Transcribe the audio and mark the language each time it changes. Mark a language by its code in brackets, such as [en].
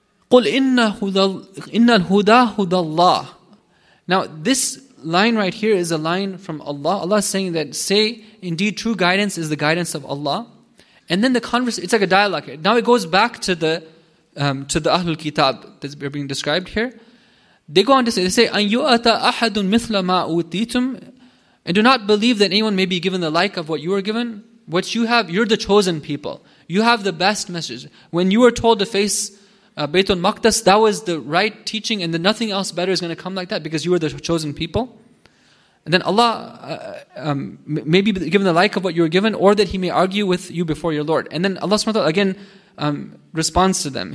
[ar] قُلْ إِنَّ الْهُدَى هُدَى اللَّهِ. [en] Now this line right here is a line from Allah. Allah is saying that, say, indeed true guidance is the guidance of Allah. And then the conversation, it's like a dialogue. Now it goes back to the Ahlul Kitab that's being described here. They go on to say, [ar] أَنْ يُؤَتَ أَحَدٌ مِثْلَ مَا أُوتِيتُمْ. [en] And do not believe that anyone may be given the like of what you are given. What you have, you're the chosen people. You have the best message. When you were told to face Baytul Maqdas, that was the right teaching, and then nothing else better is going to come like that because you are the chosen people. And then Allah may be given the like of what you were given, or that He may argue with you before your Lord. And then Allah subhanahu wa ta'ala again responds to them.